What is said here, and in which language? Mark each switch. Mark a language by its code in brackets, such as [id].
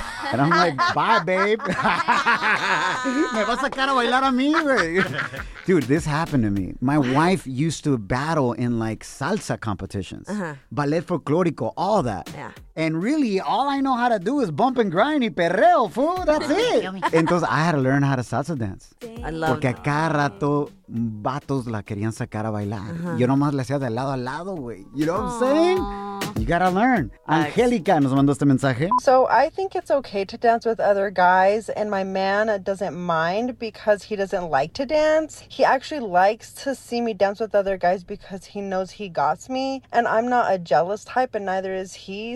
[en] And I'm like, bye, babe. [es] Me vas a sacar a bailar a mí, güey. [en] Dude, this happened to me. My wife used to battle in, like, salsa competitions. Uh-huh. Ballet folklorico, all that. Yeah. And really, all I know how to do is bump and grind [es] y perreo, [en] fool. That's it. Entonces, I had to learn how to salsa dance. I love [es] porque [en] that. [es] A cada rato, vatos la querían sacar a bailar. Uh-huh. Yo nomás le hacía de lado a lado, güey. [en] You know what I'm saying? You gotta learn. Thanks. Angelica [es] nos mandó este mensaje. [en] So I think it's okay to dance with other guys, and my man doesn't mind because he doesn't like to dance. He actually likes to see me dance with other guys because he knows he got me, and I'm not a jealous type, and neither is he.